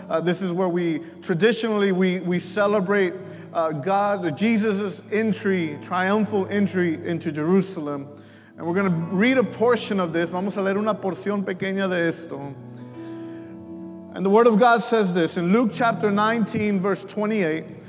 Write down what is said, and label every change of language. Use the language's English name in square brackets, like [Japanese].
[English] This is where we traditionally celebrate Jesus's entry, triumphal entry into Jerusalem. And we're going to read a portion of this. [Spanish] Vamos a leer una porción pequeña de esto. [English] And the Word of God says this in Luke chapter 19, verse 28.